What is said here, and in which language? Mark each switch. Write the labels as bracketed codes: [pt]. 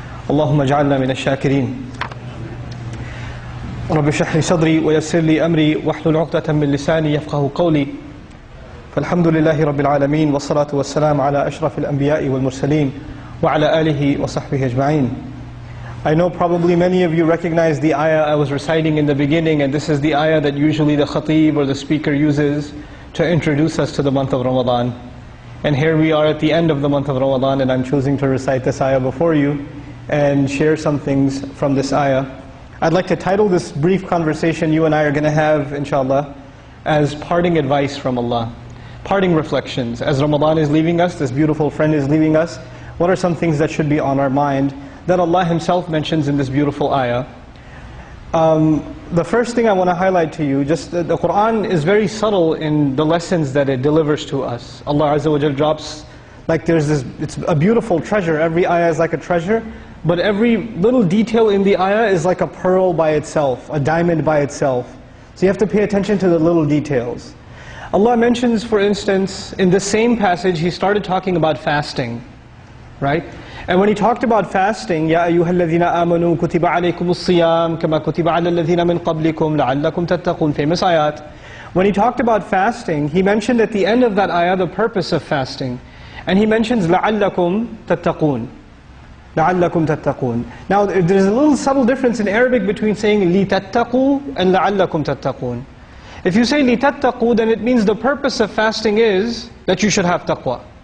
[ar] اللهم اجعلنا من الشاكرين. رب اشرح لي صدري ويسر لي امري واحلل عقدة من لساني يفقه قولي. فالحمد لله رب العالمين، والصلاة والسلام على اشرف الانبياء والمرسلين وعلى اله وصحبه اجمعين. [en] I know probably many of you recognize the ayah I was reciting in the beginning, and this is the ayah that usually the khatib or the speaker uses to introduce us to the month of Ramadan. And here we are at the end of the month of Ramadan, and I'm choosing to recite this ayah before you and share some things from this ayah. I'd like to title this brief conversation you and I are going to have, inshallah, as parting advice from Allah, parting reflections. As Ramadan is leaving us, this beautiful friend is leaving us, what are some things that should be on our mind that Allah Himself mentions in this beautiful ayah? The first thing I want to highlight to you, just the Qur'an is very subtle in the lessons that it delivers to us. Allah Azza wa Jal drops, like there's this, it's a beautiful treasure, every ayah is like a treasure, but every little detail in the ayah is like a pearl by itself, a diamond by itself. So you have to pay attention to the little details. Allah mentions, for instance, in the same passage, He started talking about fasting, right? And when He talked about fasting, [ar] يَا أَيُّهَا الَّذِينَ آمَنُوا كُتِبَ عَلَيْكُمُ الصِّيَامُ كَمَا كُتِبَ عَلَى الَّذِينَ مِنْ قَبْلِكُمْ لَعَلَّكُمْ تَتَّقُونَ. [en] Famous ayat. When He talked about fasting, He mentioned at the end of that ayah the purpose of fasting. And He mentions [ar] لَعَلَّكُمْ تَتَّقُونَ. لَعَلَّكُمْ تَتَّقُونَ. [en] Now there's a little subtle difference in Arabic between saying [ar] لِتَتَّقُوا [en] and [ar] لَعَلَّكُمْ تَتَّقُونَ. [en] If you say [ar] لِتَتَّقُوا, [en] then it means the purpose of fasting is that you should have taqwa.